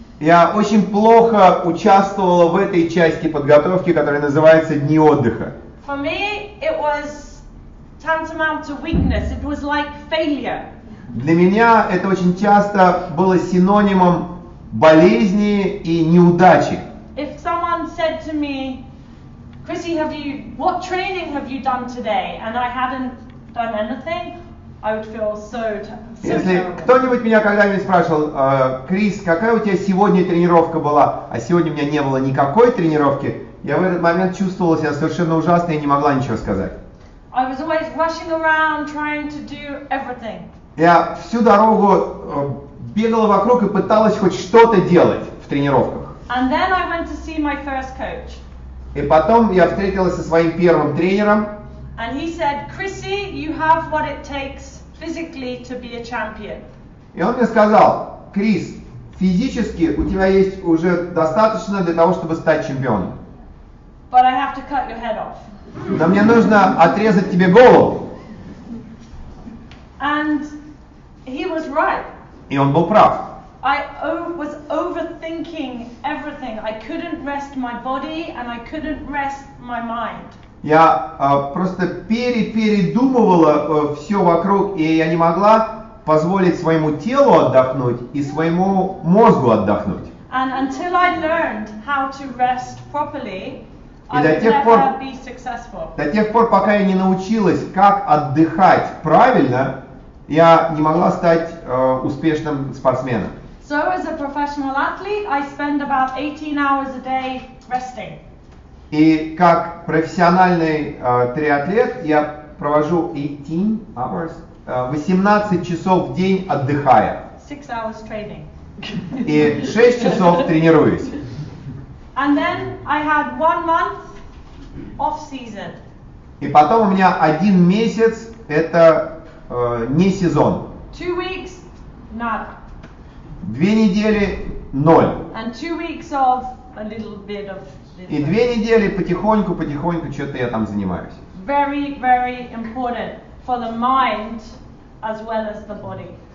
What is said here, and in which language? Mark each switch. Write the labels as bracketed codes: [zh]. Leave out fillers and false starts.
[ru] Я очень плохо участвовала в этой части подготовки, которая называется дни отдыха. [en] For me, it was tantamount to weakness. It was like failure. [ru] Для меня это очень часто было синонимом болезни и неудачи. [en] If someone said to me, Chrissy, have you, what training have you done today? And I hadn't done anything. I would feel so terrible. [ru] Если кто-нибудь меня когда-нибудь спрашивал, Крис, какая у тебя сегодня тренировка была, а сегодня у меня не было никакой тренировки, я в этот момент чувствовала себя совершенно ужасно и не могла ничего сказать. [en] I was always rushing around, trying to do everything. [ru] Я всю дорогу бегала вокруг и пыталась хоть что-то делать в тренировках. [en] And then I went to see my first coach. [ru] И потом я встретилась со своим первым тренером. [en] And he said, Chrissy, you have what it takes physically to be a champion. [ru] И он мне сказал, Крис, физически у тебя есть уже достаточно для того, чтобы стать чемпионом. [en] But I have to cut your head off. [ru] Но мне нужно отрезать тебе голову. [en] And he was right. [ru] И он был прав. [en] I was overthinking everything. I couldn't rest my body and I couldn't rest my mind. [ru] Я просто передумывала все вокруг, и я не могла позволить своему телу отдохнуть и своему мозгу отдохнуть. [en] And until I learned how to rest properly, I would never be successful. [ru] До тех пор, пока я не научилась, как отдыхать правильно, я не могла стать успешным спортсменом. [en] So as a professional athlete, I spend about 18 hours a day resting. [ru] И как профессиональный триатлет я провожу [en] 18 hours, [ru] 18 часов в день отдыхая. [en] 6 hours training. [ru] И 6 часов тренируюсь. [en] And then I had 1 month off season. [ru] И потом у меня 1 месяц это не сезон. [en] 2 weeks not. [ru] 2 недели ноль. [en] And 2 weeks of a little bit of. [ru] И 2 недели потихоньку что-то я там занимаюсь. [en] Very, very important for the mind as well as the body.